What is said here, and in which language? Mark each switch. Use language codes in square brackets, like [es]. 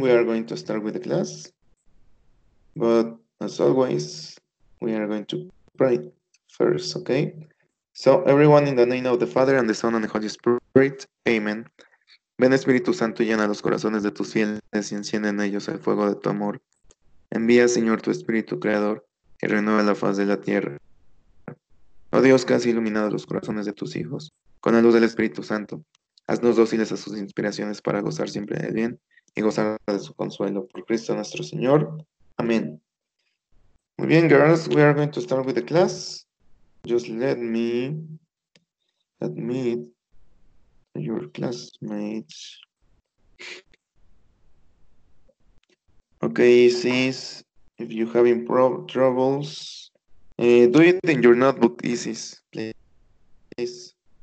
[en] We are going to start with the class. But as always, we are going to pray first, okay? So everyone, in the name of the Father, and the Son, and the Holy Spirit, amen. [es] Ven Espíritu Santo, llena los corazones de tus fieles y enciende en ellos el fuego de tu amor. Envía, Señor, tu Espíritu Creador y renueva la faz de la tierra. Oh Dios, que has iluminado los corazones de tus hijos con la luz del Espíritu Santo, haznos dóciles a sus inspiraciones para gozar siempre del bien y gozar de su consuelo. Por Cristo nuestro Señor. Amén. Muy bien, [en] girls, we are going to start with the class. Just let me admit your classmates. Okay, Isis, if you're having troubles, do it in your notebook, Isis, please.